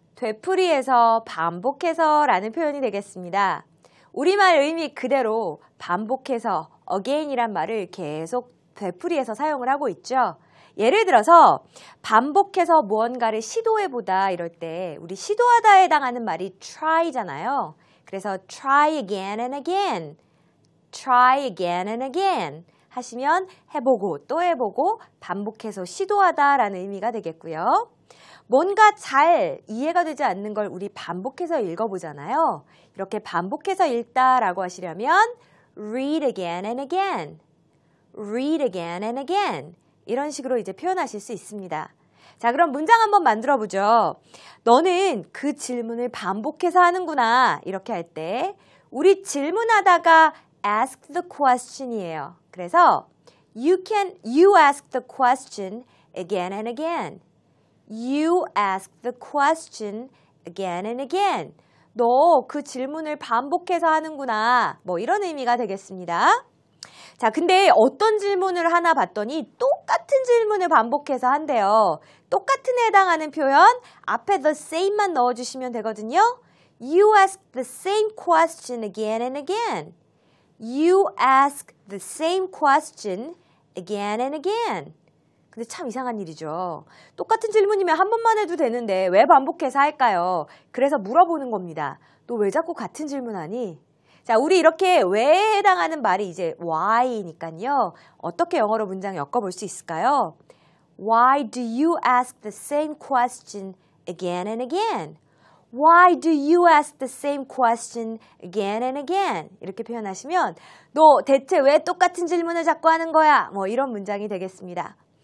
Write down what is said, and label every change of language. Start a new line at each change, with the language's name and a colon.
Korean: 되풀이해서 반복해서 라는 표현이 되겠습니다. 우리말 의미 그대로 반복해서 again이란 말을 계속 되풀이해서 사용을 하고 있죠. 예를 들어서 반복해서 무언가를 시도해보다 이럴 때 우리 시도하다에 해당하는 말이 try잖아요. 그래서
English: try again and again. Try again and again.
Korean: 하시면 해보고 또 해보고 반복해서 시도하다 라는 의미가 되겠고요. 뭔가 잘 이해가 되지 않는 걸 우리 반복해서 읽어보잖아요. 이렇게 반복해서 읽다 라고 하시려면
English: read again and again,
Korean: read again and again 이런 식으로 이제 표현하실 수 있습니다. 자, 그럼 문장 한번 만들어보죠. 너는 그 질문을 반복해서 하는구나 이렇게 할 때 우리 질문하다가
English: ask the question
Korean: 이에요. 그래서
English: you ask the question again and again. You ask the question again and again.
Korean: 너 그 질문을 반복해서 하는구나. 뭐 이런 의미가 되겠습니다. 자, 근데 어떤 질문을 하나 봤더니 똑같은 질문을 반복해서 한대요. 똑같은 해당하는 표현 앞에
English: the same
Korean: 만 넣어주시면 되거든요.
English: You ask the same question again and again. You ask the same question again and again.
Korean: 근데 참 이상한 일이죠. 똑같은 질문이면 한 번만 해도 되는데 왜 반복해서 할까요? 그래서 물어보는 겁니다. 너 왜 자꾸 같은 질문하니? 자, 우리 이렇게 왜 해당하는 말이 이제 why니까요. 어떻게 영어로 문장 엮어볼 수 있을까요?
English: Why do you ask the same question again and again? Why do you ask the same question again and again?
Korean: 이렇게 표현하시면 너 대체 왜 똑같은 질문을 자꾸 하는 거야? 뭐 이런 문장이 되겠습니다.